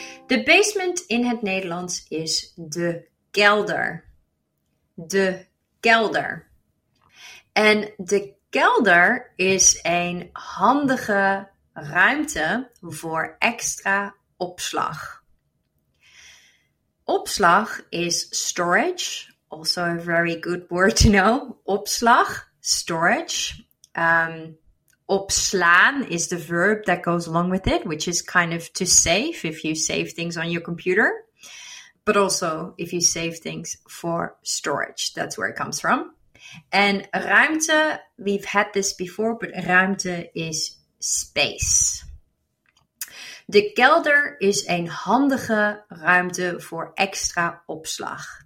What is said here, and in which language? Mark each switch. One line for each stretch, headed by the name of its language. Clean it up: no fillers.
Dutch: De basement in het Nederlands is de kelder. De kelder. En de kelder is een handige ruimte voor extra opslag. Opslag is storage.
English: Also a very good word to know. Opslag, storage. Opslaan is the verb that goes along with it, which is kind of to save if you save things on your computer. But also if you save things for storage, that's where it comes from. And ruimte, we've had this before, but ruimte is space.
Dutch: De kelder is een handige ruimte voor extra opslag.